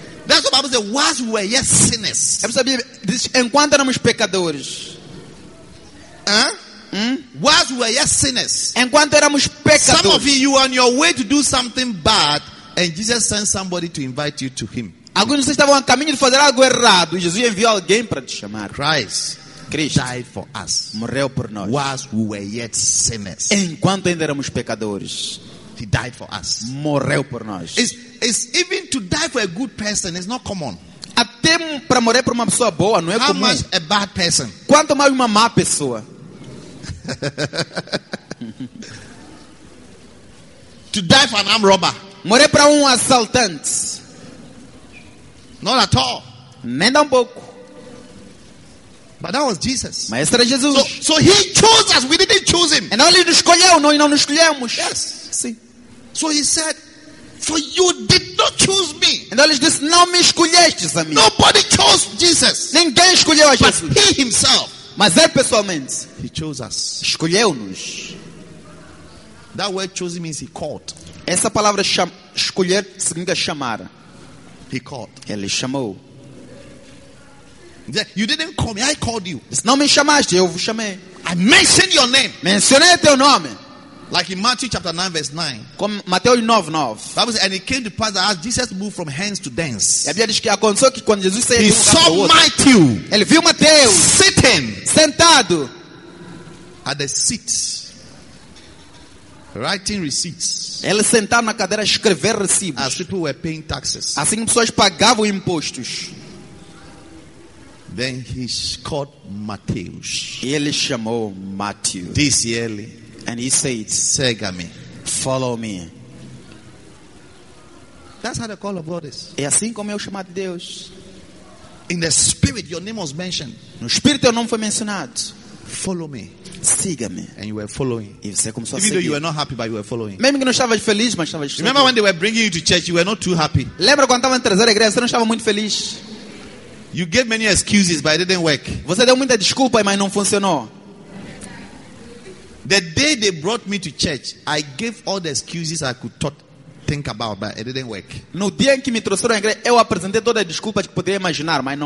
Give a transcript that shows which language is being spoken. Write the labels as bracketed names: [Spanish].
[English] That's what Bible says, whilst we were yet sinners. [Portuguese] É para saber, diz, enquanto éramos pecadores. [English] Whilst we were yet sinners. [Portuguese] Enquanto éramos pecadores. [English] Some of you are on your way to do something bad and Jesus sent somebody to invite you to him. [Portuguese] Alguns de vocês estavam a caminho de fazer algo errado e Jesus enviou alguém para te chamar. [English] Christ died for us. [Portuguese] Morreu por nós. [English] Whilst we were yet sinners. [Portuguese] Enquanto ainda éramos pecadores. [English] He died for us. [Portuguese] Morreu por nós. [English] It's even to die for a good person is not common. [Portuguese] Até para morrer por uma pessoa boa não é [English] How [Portuguese] comum. [English] Much a bad person? [Portuguese] Quanto mais uma má pessoa. [English] To die for an armed robber. [Portuguese] Morrer para assaltante. [English] Not at all. [Portuguese] Nem um pouco. [English] But that was Jesus. [Portuguese] Mas esse era Jesus. [English] So he chose us. We didn't choose him. [Portuguese] E não ele escolheu, não, nós não escolhemos. [English] Yes. [Portuguese] Sim. [English] So he said, for you did not choose me. [Portuguese] E não ele disse, não me escolhestes a mim. [English] Nobody chose Jesus. [Portuguese] Ninguém escolheu a Jesus. [English] But he himself. [Portuguese] Mas ele pessoalmente. [English] He chose us. [Portuguese] Escolheu-nos. [English] That word chosen means he called. [Portuguese] Essa palavra escolher significa chamar. [English] He called. [Portuguese] Ele chamou. [English] You didn't call me. I called you. [Portuguese] Não me chamaste. Eu vos chamei. [English] I mentioned your name. [Portuguese] Mencionei teu nome. [English] Like in Matthew chapter 9 verse 9. [Portuguese] Como Mateus 9:9. [English] Bible says, and it came to pass that as Jesus moved from hence to thence. [Portuguese] A Bíblia diz que aconteceu que quando Jesus saiu de um lugar para outro. Ele viu Mateus. [English] Sitting. [Portuguese] Sentado. [English] At the seat. Writing receipts. [Portuguese] Ele sentar na cadeira a escrever recibos. [English] As people were paying taxes. [Portuguese] Assim pessoas pagavam impostos. [English] Then he called Mateus. [Portuguese] Ele chamou Mateus. [English] This early. And he said, [Portuguese] "Segue me. [English] Follow me." That's how the call of God is. [Portuguese] É assim como é o chamado de Deus. [English] In the spirit, your name was mentioned. [Portuguese] No espírito, teu nome foi mencionado. [English] Follow me. [Portuguese] Siga-me. [English] And you were following. [Portuguese] E você começou [English] Even [Portuguese] a seguir. [English] You were not happy, but you were following. [Portuguese] Mesmo que não estavas feliz, mas estavas [English] Remember [Portuguese] seguindo. [English] When they were bringing you to church, you were not too happy. [Portuguese] Lembra quando estavam a trazer a igreja, você não estava muito feliz. [English] You gave many excuses, but it didn't work. [Portuguese] Você deu muita desculpa, mas não funcionou. [English] The day they brought me to church, I gave all the excuses I could think about, but it didn't work. [Portuguese] No dia em que me trouxeram a igreja, eu apresentei todas as desculpas que poderia imaginar, mas não